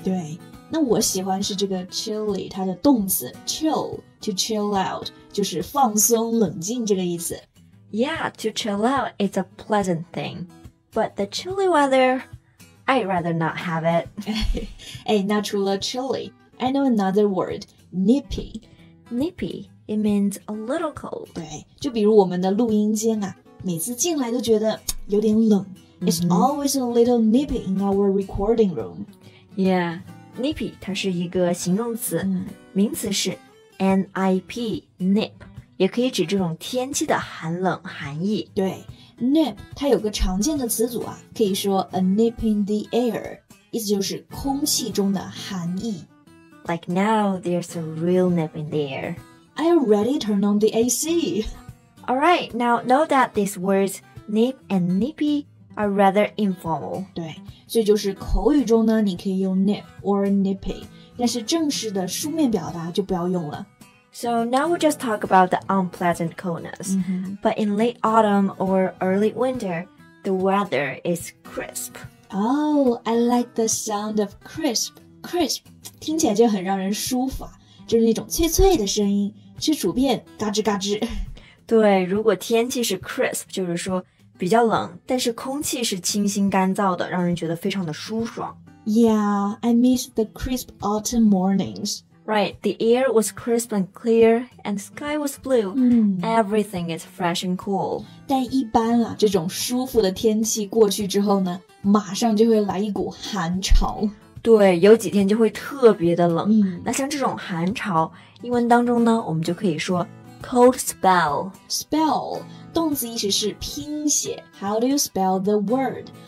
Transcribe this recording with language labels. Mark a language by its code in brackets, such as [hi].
[zh] 对，那我喜欢是这个 chilly 它的动词 chill, [en] to chill out, [zh] 就是放松冷静这个意思。 [en] Yeah, to chill out is a pleasant thing, but the chilly weather... I'd rather not have it. Hey, [zh] 那除了 [en] chilly, I know another word, nippy. Nippy, it means a little cold. [zh] 对，就比如我们的录音间啊，每次进来都觉得有点冷。 [en] It's always a little nippy in our recording room. [zh] Yeah, nippy, 它是一个形容词，名词是 N-I-P, nip, 也可以指这种天气的寒冷寒意。对。 Nip, 它有个常见的词组啊，可以说 [en] a nip in the air, [zh] 意思就是空气中的寒意。 [en] Like now, there's a real nip in the air. I already turned on the AC. Alright, now know that these words, nip and nippy, are rather informal. [zh] 对，所以就是口语中呢，你可以用 nip or nippy, 但是正式的书面表达就不要用了。 [en] So now we'll just talk about the unpleasant coldness. But in late autumn or early winter, the weather is crisp. Oh, I like the sound of crisp. [zh] Crisp, 听起来就很让人舒服啊，就是那种脆脆的声音，吃薯片嘎吱嘎吱。对，如果天气是 crisp, 就是说比较冷，但是空气是清新干燥的，让人觉得非常的舒爽。 [en] Yeah, I miss the crisp autumn mornings. Right, the air was crisp and clear, and the sky was blue. Everything is fresh and cool. [zh] 但一般啊，这种舒服的天气过去之后呢，马上就会来一股寒潮。对，有几天就会特别的冷。那像这种寒潮，英文当中呢，我们就可以说 cold spell. [en] Spell, [zh] 动词意思是拼写。 [en] How do you spell the word?